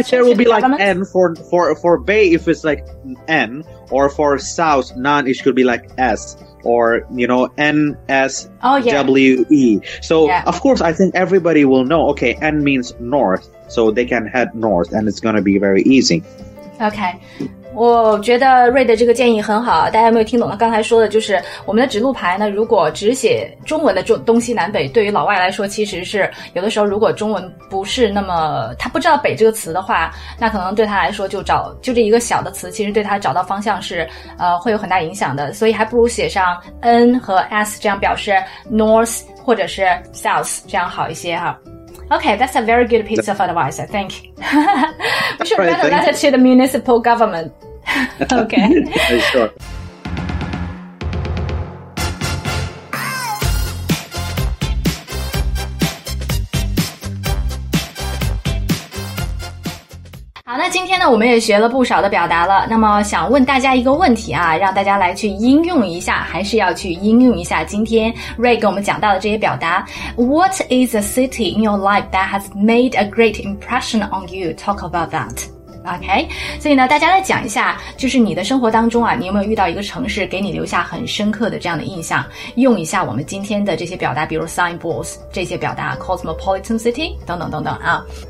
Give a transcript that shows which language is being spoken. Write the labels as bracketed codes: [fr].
[en] I think there will be like N for Bay if it's like N, or for South, Nan, it could be like S. Or, you know, N-S-W-E. So, of course, I think everybody will know, okay, N means north, so they can head north, and it's going to be very easy. Okay. [zh] 我觉得 Ray 的这个建议很好，大家没有听懂了，刚才说的就是我们的指路牌呢，如果只写中文的东西南北，对于老外来说其实是有的时候如果中文不是那么，他不知道北这个词的话，那可能对他来说就这一个小的词，其实对他找到方向是会有很大影响的，所以还不如写上 N 和 S 这样表示 North 或者是 South 这样好一些哈。 [en] Okay, that's a very good piece of advice, I think. We should write a letter to the municipal government. Okay. Sure. [zh] 今天呢我们也学了不少的表达了，那么想问大家一个问题啊，让大家来去应用一下，还是要去应用一下今天 Ray 给我们讲到的这些表达。 [en] What is a city in your life that has made a great impression on you? Talk about that. OK, [zh] 所以呢大家来讲一下，就是你的生活当中啊，你有没有遇到一个城市给你留下很深刻的这样的印象，用一下我们今天的这些表达，比如 signboards 这些表达， cosmopolitan city 等等等等啊。